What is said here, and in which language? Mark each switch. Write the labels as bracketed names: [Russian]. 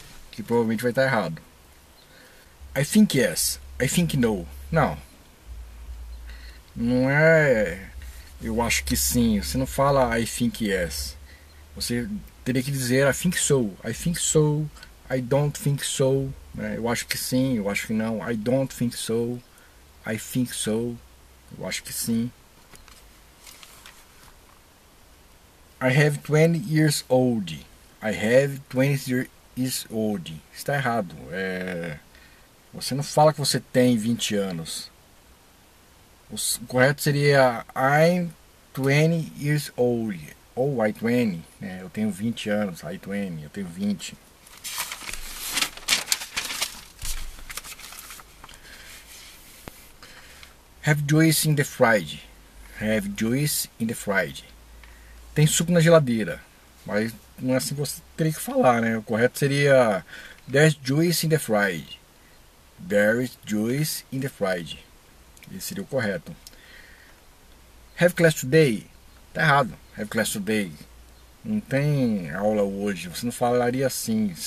[Portuguese] Que provavelmente vai estar errado. [English] I think yes, I think no. [Portuguese] Não. Não é eu acho que sim, você não fala [English] I think yes. [Portuguese] Você teria que dizer [English] I think so. I don't think so, [Portuguese] né? Eu acho que sim, eu acho que não. [English] I don't think so, I think so, [Portuguese] eu acho que sim. [English] I have 20 years old, I have 20 years old. [Portuguese] Está errado, você não fala que você tem 20 anos. O correto seria [English] I'm 20 years old, [Portuguese] ou [English] I'm 20, [Portuguese] né? Eu tenho 20 anos, [English] I'm 20, [Portuguese] eu tenho 20. [English] Have juice in the fridge. Have juice in the fridge. [Portuguese] Tem suco na geladeira. Mas não é assim que você teria que falar, né? O correto seria [English] there's juice in the fridge. There's juice in the fridge. [Portuguese] Esse seria o correto. [English] Have class today. [Portuguese] Tá errado. Have class today. Não tem aula hoje. Você não falaria assim.